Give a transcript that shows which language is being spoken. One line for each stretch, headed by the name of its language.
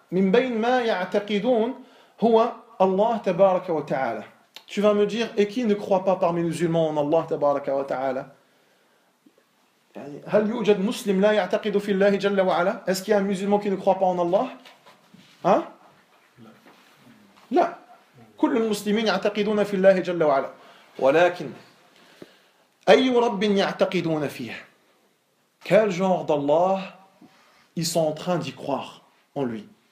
Arabic: Min bayn ma ya'taqidun huwa Allah tabaraka wa ta'ala.
French: Tu vas me dire, et qui ne croit pas parmi les musulmans en Allah tabaraka wa ta'ala?
Arabic: Hal yujad muslim la ya'taqidu fi Allah jalla wa ala?
French: Est-ce qu'il y a un musulman qui ne croit pas en Allah? Hein?
Arabic: Là, كل المسلمين يعتقدون في الله جل وعلا. ولكن أي رب يعتقدون فيه؟
French: Quel genre d'Allah ils sont en train d'y croire en lui?